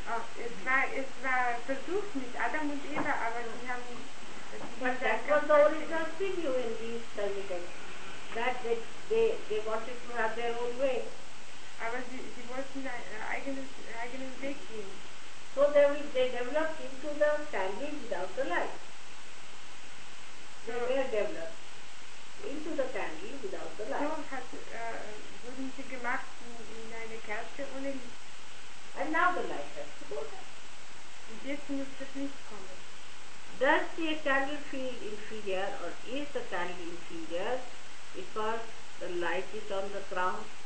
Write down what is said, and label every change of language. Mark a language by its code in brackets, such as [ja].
[de] Oh, es war versucht mit Adam und Eva, aber sie haben. [en] But that was the original thing you in these terminals. That they wanted to have their own way. [de] Aber sie wollten eigenen Weg gehen. [en] So they developed into the candle without the light. They were developed into the candle without the light. [de] So wurden sie gemacht in eine Kerze ohne Licht. [en] And now the light has to go there. [de] Und jetzt muss das Licht kommen. [en] Does the candle feel inferior or is the candle inferior because the light is on the crown?